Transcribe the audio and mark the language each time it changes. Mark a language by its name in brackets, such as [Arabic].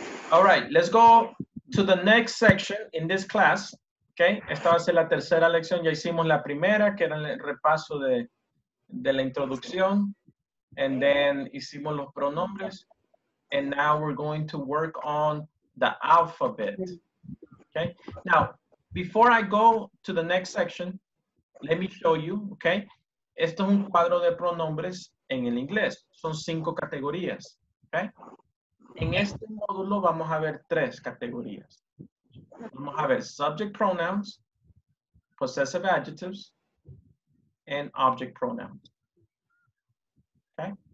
[English] All right, let's go to the next section in this class. [Spanish] Okay, esta va a ser la tercera lección. Ya hicimos la primera, que era el repaso de la introducción. [English] And then [Spanish] hicimos los pronombres. [English] And now we're going to work on the alphabet. Okay, now, before I go to the next section, let me show you, okay? [Spanish] Esto es un cuadro de pronombres en el inglés. Son 5 categorías, okay? En este módulo vamos a ver 3 categorías. Vamos a ver [English] subject pronouns, possessive adjectives, and object pronouns, okay?